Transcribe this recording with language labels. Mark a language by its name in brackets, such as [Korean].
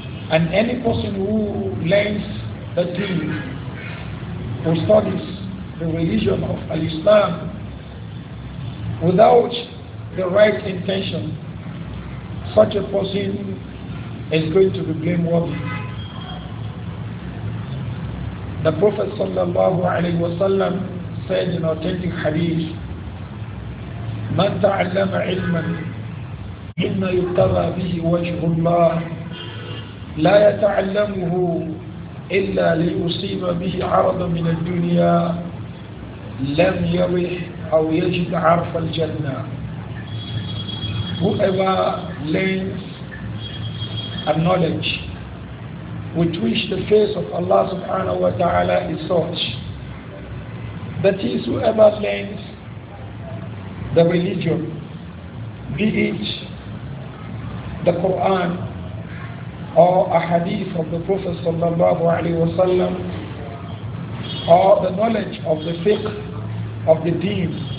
[English] And any person who learns the deen, who studies the religion of Al-Islam without the right intention, such a person is going to be blameworthy. The Prophet sallallahu alaihi wasallam said in authentic hadith, [Arabic] "من تعلم علما مما يبتغى به وجه الله لا يتعلمه إلا ليصيب به عرضا من الدنيا لم يره أو يجد عرف الجنة." [English] Whoever learns a knowledge with which the face of Allah subhanahu wa ta'ala is sought, that is, whoever learns the religion, be it the Quran or a hadith of the Prophet sallallahu alaihi wasallam, or the knowledge of the fiqh of the deen,